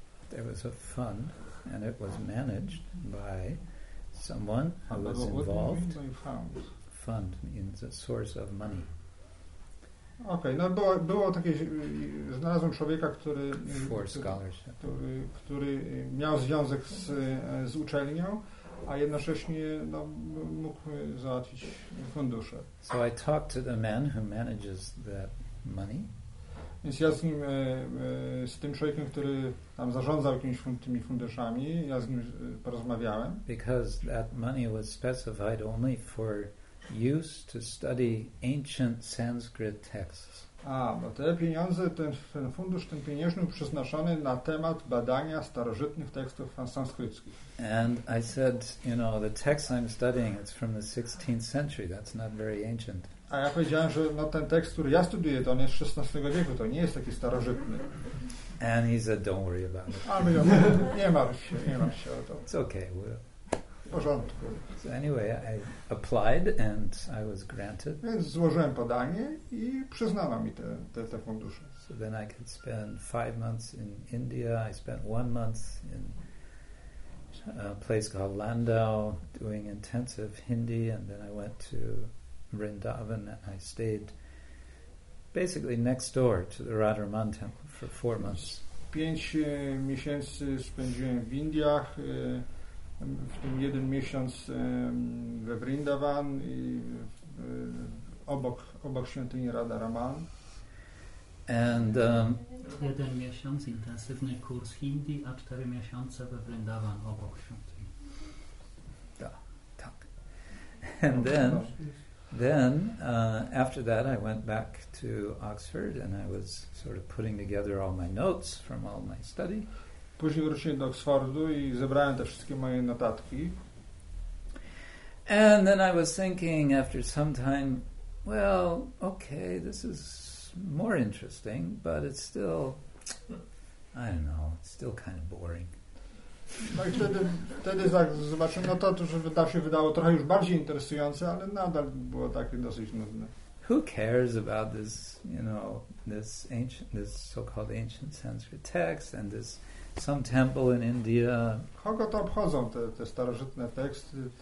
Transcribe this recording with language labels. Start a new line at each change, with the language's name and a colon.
English: there was a fund and it was managed by someone who was involved. Fund means a source of money.
Polish: Okay, no było takie, znalazłem człowieka, który
English: for scholarship.
Polish: Który miał związek z uczelnią, a jednocześnie no, mógł załatwić fundusze.
English: So I talked to the man who manages that money.
Polish: Więc ja z tym człowiekiem, który tam zarządzał jakimiś tymi funduszami, ja z nim porozmawiałem.
English: Because that money was specified only for use to study ancient Sanskrit texts.
Polish: A, bo te pieniądze, ten fundusz, ten pieniężny był przeznaczony na temat badania starożytnych tekstów sanskryckich.
English: And I said, you know, the text I'm studying, it's from the 16th century, that's not very ancient.
Polish: A ja powiedziałem, że no, ten tekst, który ja studiuję, to on jest z XVI wieku, to nie jest taki starożytny.
English: And he said, don't worry about it.
Polish: A my, nie martw się o to.
English: It's okay, we'll
Polish: porządku.
English: So anyway, I applied and I was granted.
Polish: Więc złożyłem podanie i przyznano mi te fundusze.
English: So then I could spend 5 months in India. I spent 1 month in a place called Landau doing intensive Hindi, and then I went to Vrindavan and I stayed basically next door to the Radharaman temple for 4 months.
Polish: 5 miesięcy spędziłem w Indiach, w tym 1 miesiąc we Vrindavan i obok świątyni Radharaman.
English: And
Polish: 1 miesiąc intensywny kurs Hindi, a 4 miesiące we Vrindavan obok świątyni. Tak.
English: And then after that I went back to Oxford and I was sort of putting together all my notes from all my study.
Polish: Później wróciłem do Oxfordu i zebrałem te wszystkie moje notatki.
English: And then I was thinking after some time, well, okay, this is more interesting, but it's still, I don't know, it's still kind of boring.
Polish: No i wtedy zobaczyłem, no to już się wydało trochę już bardziej interesujące, ale nadal było takie dosyć nudne.
English: Who cares about this, you know, this ancient, this so-called ancient Sanskrit text and this some temple in India?
Polish: Kogo to obchodzą, te starożytne teksty,